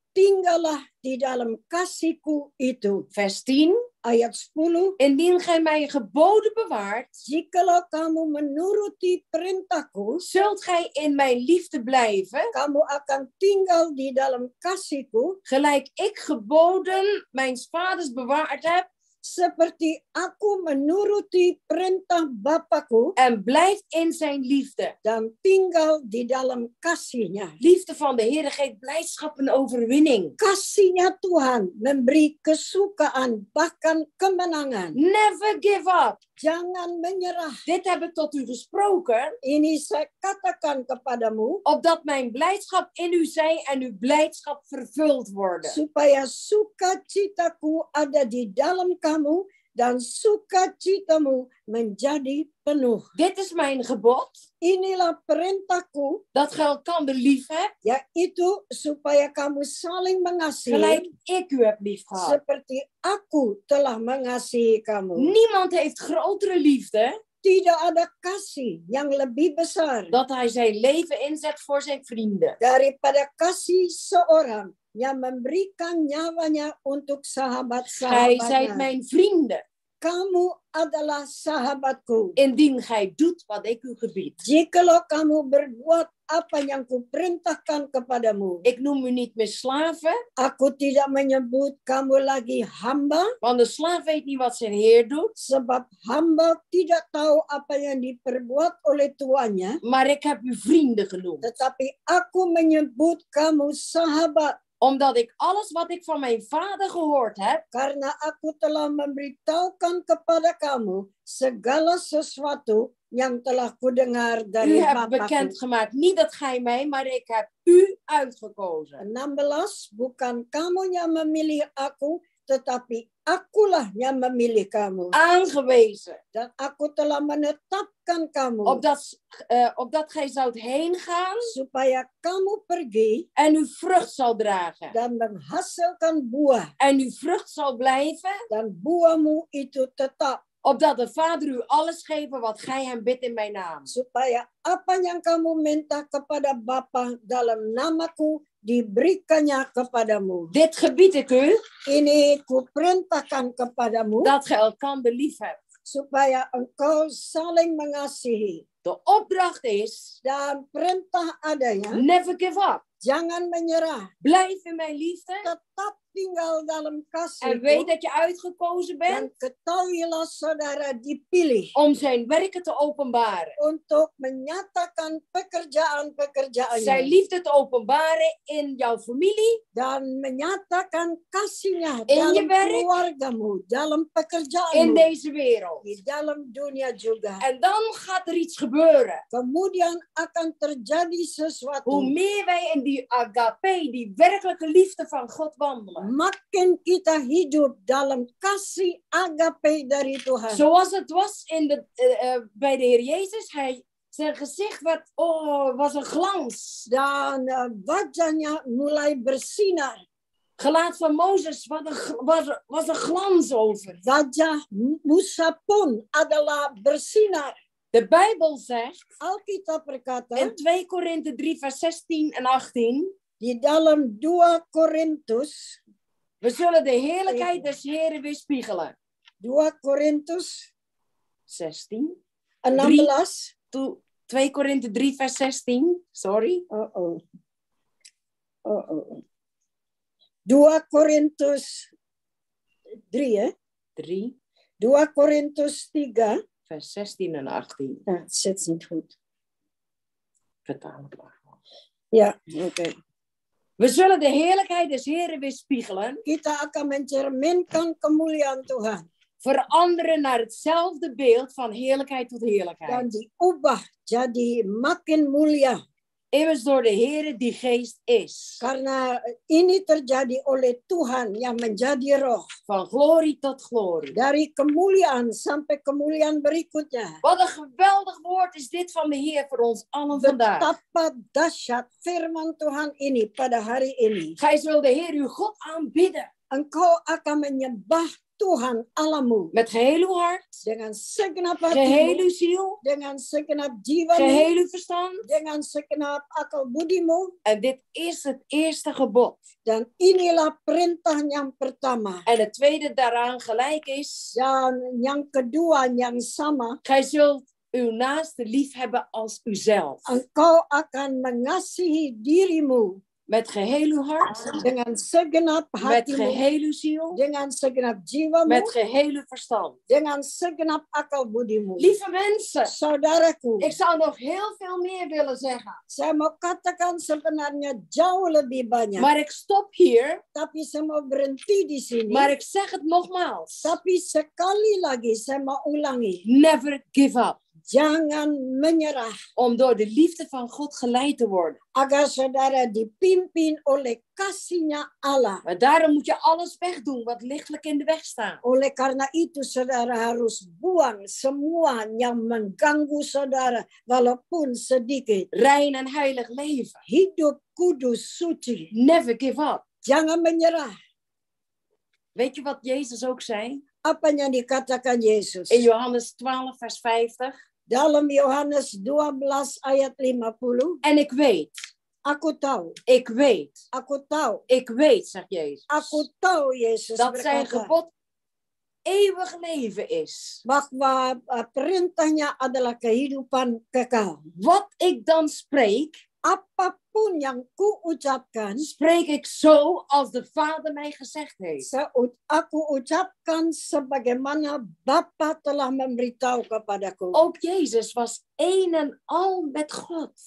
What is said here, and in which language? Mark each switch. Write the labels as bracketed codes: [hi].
[id] Tinggallah di dalam kasihku itu. [nl] Vers 10. [id] Ayat 10. [nl] Indien gij mijn geboden bewaart. [id] Jikalau kamu menuruti perintahku. [nl] Zult gij in mijn liefde blijven. [id] Kamu akan tinggal di dalam kasihku. [nl] Gelijk ik geboden mijn vaders bewaard heb. [id] Seperti aku menuruti perintah Bapakku. [nl] En blijft in zijn liefde. [id] Dan tinggal di dalam kasihnya. [nl] Liefde van de Heere geeft blijdschap en overwinning. [id] Kasihnya Tuhan memberi kesukaan bahkan kemenangan. [en] Never give up. [id] Jangan menyerah. [nl] Dit heb ik tot u gesproken. [id] Ini saya katakan kepadamu. [nl] Opdat mijn blijdschap in u zij en uw blijdschap vervuld worden. [id] Supaya sukacitaku ada di dalam kamu dan sukacitamu menjadi penuh. [nl] Dit is mijn gebod. [id] Inilah perintahku. [nl] Dat ge elkander lief hebt. [id] Ja, itu supaya kamu saling mengasihi. [nl] Gelijk ik u heb lief gehad. [id] Seperti aku telah mengasihi kamu. [nl] Niemand heeft grotere liefde. [id] Tidak ada kasih yang lebih besar. [nl] Dat hij zijn leven inzet voor zijn vrienden. [id] Daripada kasih seorang. Yang memberikan nyawanya untuk sahabat-sahabatnya. [nl] Gij zijt mijn vrienden. [id] Kamu adalah sahabatku. [nl] Indien gij doet wat ik u gebied. [id] Jikalau kamu berbuat apa yang kuperintahkan kepadamu. [nl] Ik noem u niet meer slaven. [id] Aku tidak menyebut kamu lagi hamba. [nl] Want de slaaf weet niet wat zijn heer doet. [id] Sebab hamba tidak tahu apa yang diperbuat oleh tuannya. [nl] Maar ik heb u vrienden genoemd. [id] Tetapi aku menyebut kamu sahabat. [nl] Omdat ik alles wat ik van mijn vader gehoord heb. [id] Karena aku telah memberitahukan kepada kamu segala sesuatu yang telah kudengar dari [nl] Bapakku. U hebt bekendgemaakt, niet dat gij mij, maar ik heb u uitgekozen. [id] 16, bukan kamu yang memilih aku, tetapi akulah yang memilih kamu. [nl] Aangewezen. [id] Dan aku telah menetapkan kamu. [nl] Opdat gij zoudt heen gaan. [id] Supaya kamu pergi. [nl] En uw vrucht zal dragen. [id] Dan menghasilkan buah. [nl] En uw vrucht zal blijven. [id] Dan buahmu itu tetap. [nl] Opdat de Vader u alles geven wat gij hem bidt in mijn naam. [id] Supaya apa yang kamu minta kepada Bapa dalam namaku. Diberikannya kepadamu. [nl] Dit gebied ik u. [id] Ini kuperintahkan kepadamu. [nl] Dat ge elkander lief hebt. [id] Supaya engkau saling mengasihi. [nl] De opdracht is. [id] Dan perintah adanya. [en] Never give up. [id] Jangan menyerah. [nl] Blijf in mijn liefde. [id] Tetap tinggal dalam kasih. [nl] En weet dat je uitgekozen bent. [id] Dan ketahuilah saudara dipilih. [nl] Om zijn werken te openbaren. [id] Untuk menyatakan pekerjaan-pekerjaannya. [nl] Zijn liefde te openbaren in jouw familie. [id] Dan menyatakan kasihnya in dalam werk, keluargamu. Dalam pekerjaanmu. [nl] In deze wereld. [id] Di dalam dunia juga. [nl] En dan gaat er iets gebeuren. [id] Kemudian akan terjadi sesuatu. [nl] Hoe meer wij in die agape, die werkelijke liefde van God wandelen. [id] Makin kita hidup dalam kasih agape dari Tuhan. [nl] Zoals het was in de, bij de Heer Jezus, zijn gezicht werd, was een glans. [id] Dan wajahnya mulai bersinar. [nl] Gelaat van Mozes was een glans over. [id] Wajah Musa pun adalah bersinar. [nl] De Bijbel zegt, [id] Alkitab berkata, [nl] in 2 Korinthe 3 vers 16 en 18, [id] die dalam 2 Korintus. [nl] We zullen de heerlijkheid des Heren weer spiegelen. [id] 2 Korintus 16. [nl] En 3, 2 Korintus 3 vers 16. Sorry. Uh-oh. Uh-oh. 2 Korintus 3, hè? 3. [id] 2 Korintus 3. [nl] Vers 16 en 18. Ja, het zit niet goed. Vertaal het maar. Ja, oké. Okay. We zullen de heerlijkheid des Heren weer spiegelen. [id] Kita akan mencerminkan kemuliaan Tuhan. [nl] Veranderen naar hetzelfde beeld van heerlijkheid tot heerlijkheid. [id] Dan diubah jadi makin mulia. [nl] Immers door de Heren die geest is. [id] Karena ini terjadi oleh Tuhan yang menjadi roh. [nl] Van glorie tot glorie. [id] Dari kemuliaan sampai kemuliaan berikutnya. [nl] Wat een geweldig woord is dit van de Heer voor ons allen vandaag. [id] Betapa dahsyat firman Tuhan ini pada hari ini. [nl] Gij zult de Heer uw God aanbidden. [id] Engkau akan menyembah Tuhan Allahmu. [nl] Met geheel uw hart. [id] Dengan segenap hati. [nl] Geheel uw ziel. [id] Dengan segenap jiwa. [nl] Geheel uw verstand. [id] Dengan segenap akal budimu. [nl] En dit is het eerste gebod. [id] Dan inilah perintah yang pertama. [nl] En het tweede daaraan gelijk is. [id] Dan yang kedua yang sama. [nl] Gij zult uw naaste lief hebben als uzelf. [id] Engkau akan mengasihi dirimu. [nl] Met geheel uw hart, [id] dengan segenap hatimu, [nl] met geheel uw ziel, [id] dengan segenap jiwamu, [nl] met geheel uw verstand, [id] dengan segenap akal budimu. [nl] Lieve mensen, [id] saudaraku, [nl] ik zou nog heel veel meer willen zeggen. [id] Saya mau katakan sebenarnya jauh lebih banyak. [nl] Maar ik stop hier. [id] Tapi saya mau berhenti di sini. [nl] Maar ik zeg het nogmaals. [id] Tapi sekali lagi saya mau ulangi. [en] Never give up. [id] Jangan menyerah. [nl] Om door de liefde van God geleid te worden. [id] Agar saudara dipimpin oleh kasihnya Allah. [nl] Maar daarom moet je alles wegdoen wat lichtelijk in de weg staat. [id] Oleh karena itu saudara harus buang semua yang mengganggu saudara walaupun sedikit. [nl] Rein en heilig leven. [id] Hidup kudus suci. [en] Never give up. [id] Jangan menyerah. [nl] Weet je wat Jezus ook zei? [id] Apa yang dikatakan Yesus? [nl] In Johannes 12 vers 50. [id] Dalam Johannes 12 ayat 50. [nl] En ik weet. [id] Aku tahu. [nl] Ik weet. [id] Aku tahu. [nl] Ik weet, zegt Jezus. [id] Aku tahu, Yesus. [nl] Dat zijn gebod eeuwig leven is. [id] Bahwa perintahnya adalah kehidupan kekal. [nl] Wat ik dan spreek. [id] Apapun yang ku ucapkan, [nl] spreek ik zo als de Vader mij gezegd heeft. [id] Aku ucapkan sebagaimana Bapa telah memberitahu kepadaku. [nl] Ook Jezus was een en al met God.